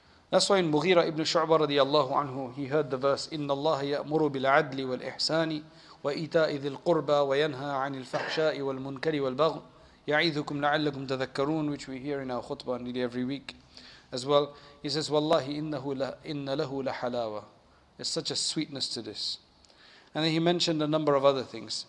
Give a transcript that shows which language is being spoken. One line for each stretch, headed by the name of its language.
English: That's why in Mughira ibn Shu'bah radiyallahu anhu, he heard the verse,
Arabic: إِنَّ اللَّهَ يَأْمُرُ بِالْعَدْلِ وَالْإِحْسَانِ وَإِيْتَاءِ ذِي الْقُرْبَى وَيَنْهَى عَنِ الْفَحْشَاءِ وَالْمُنْكَرِ وَالْبَغْءِ يَعِذُكُمْ لَعَلَّكُمْ تَذَكَّرُونَ,
English: which we hear in our khutbah nearly every week as well. He says,
Arabic: وَاللَّهِ إِنَّ لَهُ لَحَلَاوَةٌ.
English: There's such a sweetness to this. And then he mentioned a number of other things.